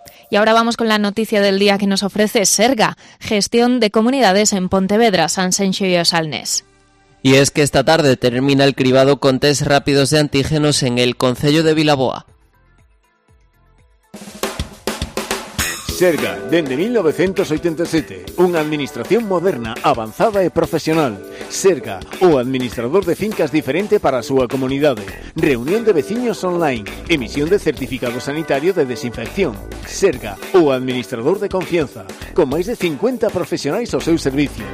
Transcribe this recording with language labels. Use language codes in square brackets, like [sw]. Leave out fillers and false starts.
[es] Y ahora vamos con la noticia del día que nos ofrece Serga, gestión de comunidades en Pontevedra, Sanxenxo y Salnés. Y es que esta tarde termina el cribado con test rápidos de antígenos en el concello de Vilaboa. [gl] Serga, dende 1987, unha administración moderna, avanzada e profesional. Serga, o administrador de fincas diferente para a súa comunidade. Reunión de veciños online, emisión de certificado sanitario de desinfección. Serga, o administrador de confianza, con máis de 50 profesionais ao seu servicio.